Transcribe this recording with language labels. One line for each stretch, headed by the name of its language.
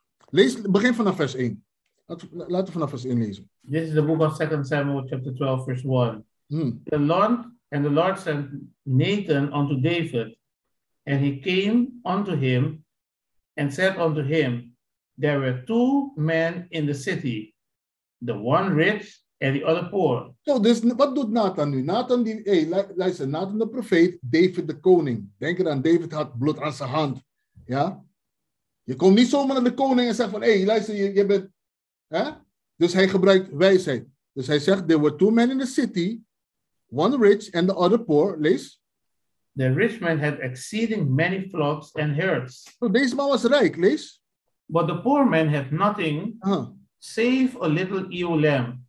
Dutch: Lees, begin vanaf vers 1. Laten we vanaf eens inlezen.
English: This is the book of 2 Samuel, chapter 12, verse 1. The Lord sent Nathan unto David, and he came unto him and said unto him, there were two men in the city, the one rich and the other poor. So this, what does Nathan do? Nathan, Nathan the prophet, David the koning.
Dutch: Denk eraan, David had
English: blood on
Dutch: zijn hand. Ja? Je komt niet zomaar naar de koning en zegt van, je bent... Hè? Dus hij gebruikt wijsheid. Dus hij zegt,
English: there were two men in the city, one rich and the other poor.
Dutch: Lees.
English: The rich man had exceeding many flocks and herds.
Dutch: So deze man was rijk, lees.
English: But the poor man had nothing save a little ewe lamb.